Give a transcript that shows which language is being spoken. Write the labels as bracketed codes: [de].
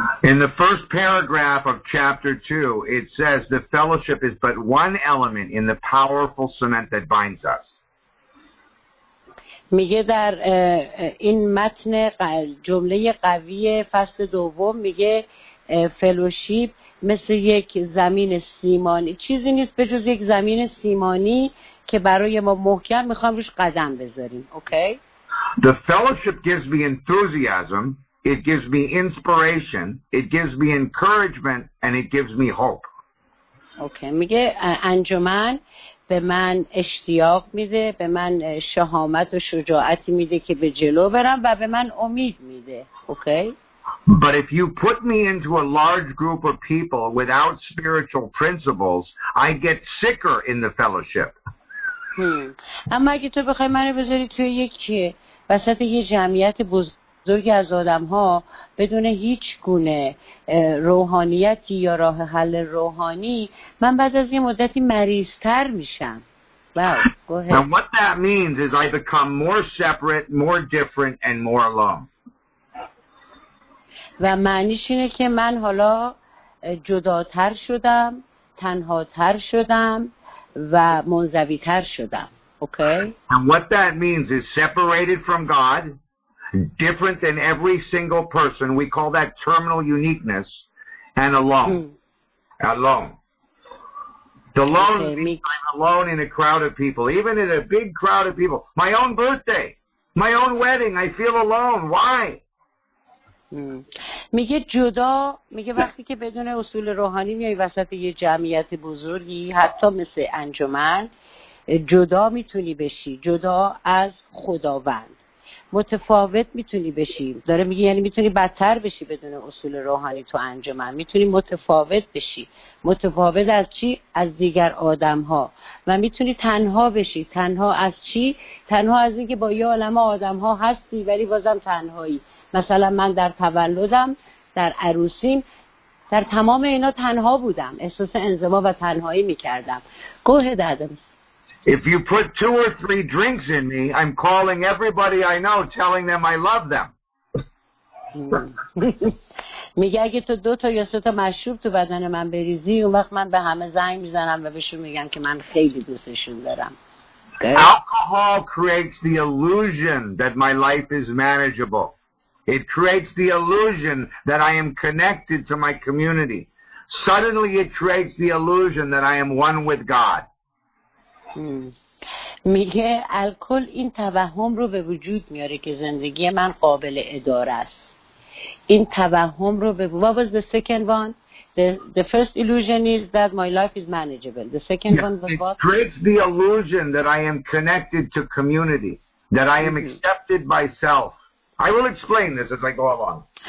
[en] In the first paragraph of chapter 2, it says the fellowship is but one element in the powerful cement that binds us. [fa] میگه در این متن جمله قوی فصل دوم میگه فلوشیپ مثل یک زمین سیمانی، چیزی نیست به جز یک زمین سیمانی که برای ما محکم میخوام روش قدم بذاریم. اوکی. [en] The fellowship gives me enthusiasm. It gives me inspiration, it gives me encouragement, and it gives me hope. [fa] Okay, میگه انجمن به من اشتیاق میده، به من شهامت و شجاعتی میده که به جلو برم و به من امید میده. [en] Okay? But if you put me into a large group of people without spiritual principles, I get sicker in the fellowship. [fa] اما اگه تو بخوای منو بذاری توی یک وسط یه جمعیت بزرگ زوری از آدم ها بدون هیچ گونه روحانیتی یا راه حل روحانی، من بعد از یه مدتی مریض‌تر میشم. [en] And what that means is I become more separate, more different, and more alone. [fa] و معنیش اینه که من حالا جداتر شدم، تنهاتر شدم و منزوی‌تر شدم. [en] Okay? And what that means is separated from God, different than every single person. We call that terminal uniqueness and alone. Alone. The alone means I'm alone in a crowd of people, even in a big crowd of people. My own birthday, my own wedding, I feel alone. Why? [fa] میگه جدا، میگه وقتی که بدون اصول روحانی میای وسط یه جمعیت بزرگی حتی مثل انجمن، جدا میتونی بشی، جدا از خداوند، متفاوت میتونی بشی. داره میگه یعنی میتونی بدتر بشی بدون اصول روحانی تو انجمن، میتونی متفاوت بشی. متفاوت از چی؟ از دیگر آدم ها. و میتونی تنها بشی. تنها از چی؟ تنها از اینکه با یه عالمه آدم ها هستی ولی بازم تنهایی. مثلا من در تولدم، در عروسیم، در تمام اینا تنها بودم، احساس انزوا و تنهایی میکردم. گوه دادم. [en] If you put two or three drinks in me, I'm calling everybody I know, telling them I love them. [fa] میگه اگه تو دو تا یا سه تا مشروب تو بدن من بریزی، اون وقت من به همه زنگ میزنم و بهشون میگم که من خیلی دوستشون دارم. [en] Alcohol creates the illusion that my life is manageable. It creates the illusion that I am connected to my community. Suddenly it creates the illusion that I am one with God. [fa] میگه الکل این توهم رو به وجود میاره که زندگی من قابل اداره است. این توهم رو به وجود. [en] What was the second one? The first illusion is that my life is manageable. The second one was what? It creates the illusion that I am connected to community, that I am accepted by self. I will explain this as I go along.